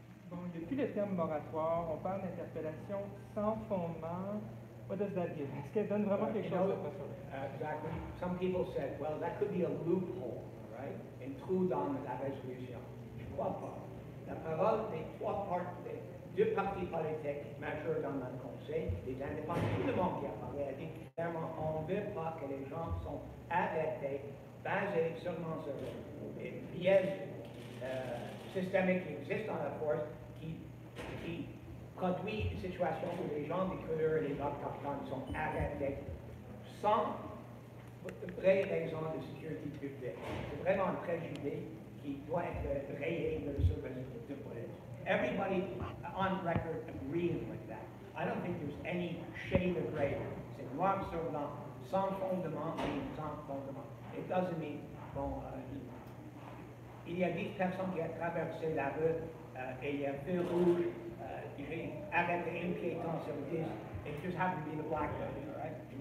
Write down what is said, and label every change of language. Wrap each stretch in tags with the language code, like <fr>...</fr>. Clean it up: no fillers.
<fr>Bon, depuis le terme moratoire, on parle d'interpellation sans fondement. What does that mean? Est-ce qu'elle donne vraiment quelque chose à personne? Exactly.</fr> <en>Some people said, well, that could be a loophole, right?</en> <fr>Un trou dans la résolution. Je crois pas. La parole des trois parties, des deux parties politiques majeures dans le conseil, des indépendants, tout le monde qui a parlé, a dit clairement, on ne veut pas que les gens sont arrêtés, basés seulement sur une biais systémique qui existe dans la force, qui produit une situation où les gens de couleur et les autochtones sont arrêtés sans vraie raison de sécurité publique. C'est vraiment un préjugé qui doit être rayé de la surveillance de police.</fr> <en>Everybody on record agrees with that. I don't think there's any shade of gray. C'est noir sur blanc, sans fondement et sans fondement.</en> <fr>It doesn't mean, bon, il y a 10 personnes qui ont traversé la rue et il y a feu rouge, arrêté un piéton sur 10.</fr> <en>It just happened to be the black guy, right?</en>